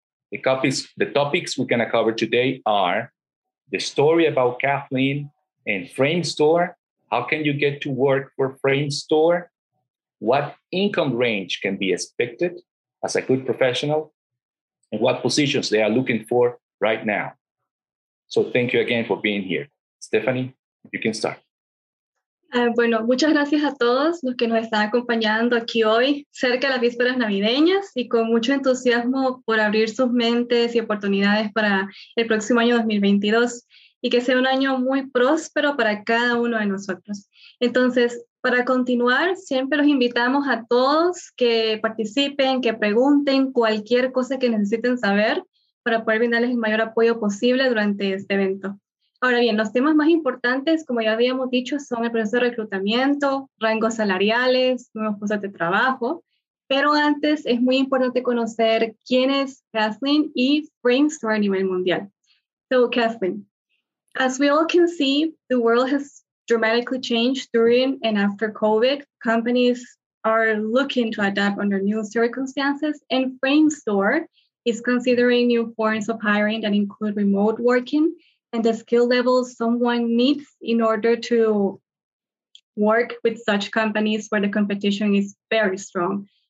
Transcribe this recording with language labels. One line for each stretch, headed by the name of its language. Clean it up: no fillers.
English: The topics we're going to cover today are the story about Kathleen and Framestore. How can you get to work for Framestore? What income range can be expected as a good professional, and what positions they are looking for right now? So thank you again for being here. Stephanie, you can start.
Spanish: Bueno, muchas gracias a todos los que nos están acompañando aquí hoy, cerca de las vísperas navideñas, y con mucho entusiasmo por abrir sus mentes y oportunidades para el próximo año 2022, y que sea un año muy próspero para cada uno de nosotros. Entonces, para continuar, siempre los invitamos a todos que participen, que pregunten cualquier cosa que necesiten saber para poder brindarles el mayor apoyo posible durante este evento. Ahora bien, los temas más importantes, como ya habíamos dicho, son el proceso de reclutamiento, rangos salariales, nuevos puestos de trabajo. Pero antes, es muy importante conocer quién es Kathleen y Framestore a nivel mundial.
English: So, Kathleen, as we all can see, the world has dramatically changed during and after COVID. Companies are looking to adapt under new circumstances, and Framestore is considering new forms of hiring that include remote working and the skill levels someone needs in order to work with such companies where the competition is very strong.